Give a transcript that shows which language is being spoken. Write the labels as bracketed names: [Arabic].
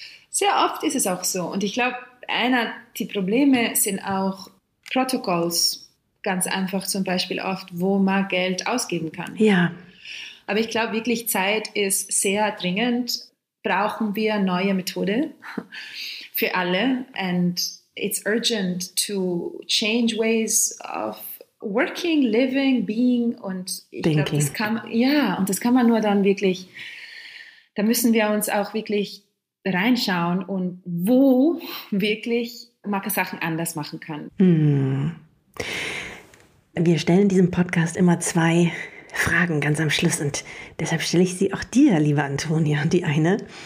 [German] Sehr oft ist es auch so und ich glaube, einer der Probleme sind auch Protokolls, ganz einfach zum Beispiel oft, wo man Geld ausgeben kann. Ja. Aber ich glaube wirklich, Zeit ist sehr dringend. Brauchen wir neue Methode für alle? [English] And it's urgent to change ways of working, living, being. [German] Und ich glaube, das kann man nur dann wirklich, da müssen wir uns auch wirklich reinschauen und wo wirklich man Sachen anders machen kann. Wir stellen diesem Podcast immer 2 Fragen ganz am Schluss und deshalb stelle ich sie auch dir, liebe Antonia, die eine.